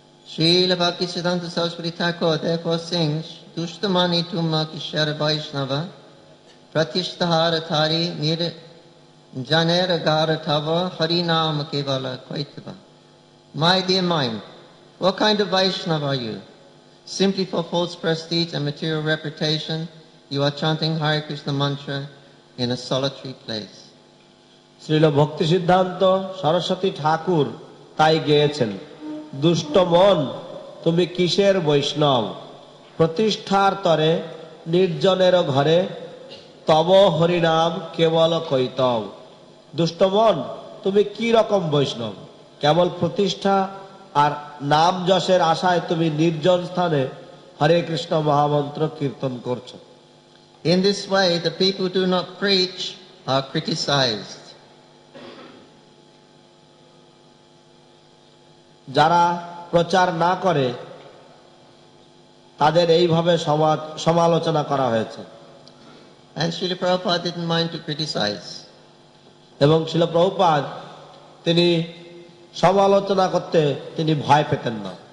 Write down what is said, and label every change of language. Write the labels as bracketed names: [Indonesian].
[Bangla] শ্রীল ভক্তি সিদ্ধান্ত সরস্বতী ঠাকুর [English] therefore sings, [Bangla] দুষ্টমানি তুম কিশোর বৈষ্ণব প্রতিষ্ঠার থারি নির জনের গার থব হরি নাম কেবল Kaitabha. [English] My dear mind, what kind of Vaishnava are you? Simply for false prestige and material reputation, you are chanting Hare Krishna mantra in a solitary place. [Bangla] Srila ভক্তি সিদ্ধান্ত সরস্বতী ঠাকুর তাই গেয়েছেন, দুষ্ট মন তুমি কিসের বৈষ্ণব, প্রতিষ্ঠার তরে নির্জনের ঘরে তব হরিনাম কেবল কৈতব। দুষ্ট মন তুমি কি রকম বৈষ্ণব, কেবল প্রতিষ্ঠা আর নাম যশের আশায় তুমি নির্জন স্থানে হরে কৃষ্ণ মহামন্ত্র কীর্তন করছো। [English] In this way the people do not preach are criticized. [Bangla] যারা প্রচার না করে তাদের এইভাবে সমালোচনা করা হয়েছে। [English] And Srila Prabhupada didn't mind to criticize. [Bangla] এবং Srila Prabhupada তিনি সমালোচনা করতে তিনি ভয় পেতেন না।